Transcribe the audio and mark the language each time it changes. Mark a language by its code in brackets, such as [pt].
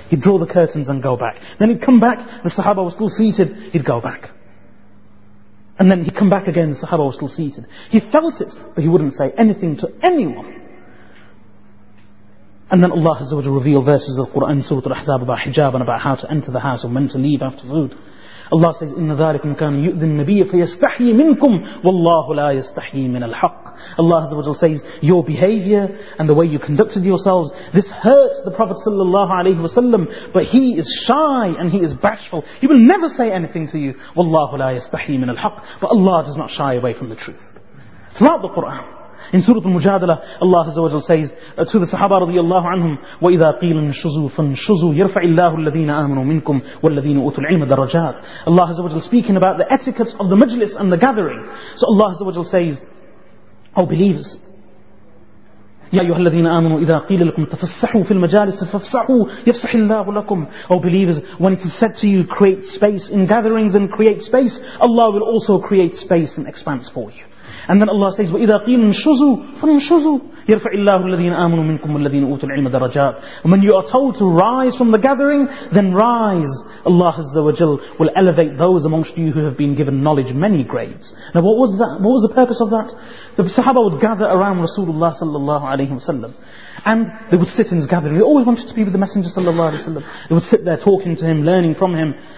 [en] He'd draw the curtains and go back. Then he'd come back, the Sahaba was still seated, he'd go back. And then he'd come back again, the Sahaba was still seated. He felt it, but he wouldn't say anything to anyone. And then Allah Azza wa Jalla revealed verses of the Quran, Surah Al-Ahzab, about hijab and about how to enter the house and when to leave after food. Allah says, [ar] "إِنَّ ذَلِكُمْ كَانَ يُؤْذِ النَّبِيَّ فَيَسْتَحْيِي مِنْكُمْ وَاللَّهُ لَا يَسْتَحْيِي مِنَ الْحَقِّ." [en] Allah Azza wa Jalla says, "Your behavior and the way you conducted yourselves, this hurts the Prophet sallallahu alayhi wa sallam, but he is shy and he is bashful. He will never say anything to you. [ar] وَاللَّهُ لَا يَسْتَحْيِي مِنَ الْحَقِّ." [en] But Allah does not shy away from the truth. Throughout the Quran. In Surah Al-Mujadilah, Allah Azza wa Jal says to the Sahaba radiyallahu anhum, [ar] "وَإِذَا قِيلَ انْشُزُوا فَانْشُزُوا يَرْفَعِ اللَّهُ الَّذِينَ آمَنُوا مِنْكُمْ وَالَّذِينَ أُوتُوا الْعِلْمَ دَرَجَاتِ." [en] Allah Azza wa Jal speaking about the etiquette of the majlis and the gathering. So Allah Azza wa Jal says, "Oh believers, [ar] يَا أَيُّهَا الَّذِينَ آمَنُوا إِذَا قِيلَ لَكُمْ تَفَسَّحُوا فِي الْمَجَالِسِ فَافْسَحُوا يَفْسَحِ اللَّهُ لَكُمْ." [en] Oh believers, when it is said to you, "Create space in gatherings and create space," Allah will also create space and expanse for you. And then Allah says, [ar] وَإِذَا قِيلٌ شُزُوا فَانْشُزُوا يَرْفَعِ اللَّهُ الَّذِينَ آمَنُوا مِنْكُمْ وَالَّذِينَ أُوتُوا الْعِلْمَ دَرَجَاتٍ. [en] When you are told to rise from the gathering, then rise. Allah Azza wa Jal will elevate those amongst you who have been given knowledge many grades. Now what was that? What was the purpose of that? The Sahaba would gather around Rasulullah sallallahu alayhi wa sallam. And they would sit in his gathering. They always wanted to be with the Messenger sallallahu alayhi wa sallam. They would sit there talking to him, learning from him.